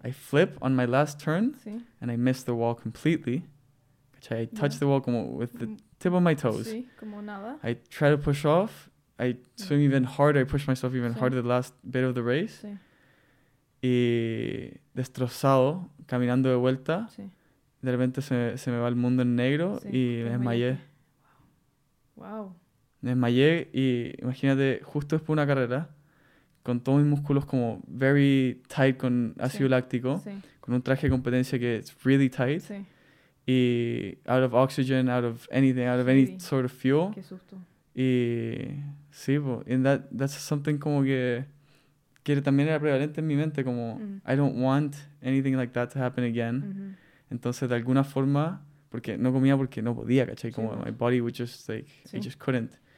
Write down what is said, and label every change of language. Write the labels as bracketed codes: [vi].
[en] I flip on my last turn, and I miss the wall completely. ¿Cachai? I touch the wall como with the... tip of my toes. [es] Sí, como nada. [en] I try to push off. I swim even harder. I push myself even harder the last bit of the race. [es] Sí. Y destrozado, caminando de vuelta. Sí. De repente se me va el mundo en negro y me desmayé. [en] Wow. [es] Me desmayé y imagínate, justo después de una carrera, con todos mis músculos como [en] very tight [es] con ácido láctico, con un traje de competencia que es [en] really tight. [es] Sí. [en] Y out of oxygen, out of anything, out of any sort of fuel. [es] Qué susto. Y sí, bo, [en] and that's something [es] como que también era prevalente en mi mente, como [en] I don't want anything like that to happen again. [es] Entonces, de alguna forma, porque no comía porque no podía, ¿cachai? [en] Como my body would just like, it just couldn't.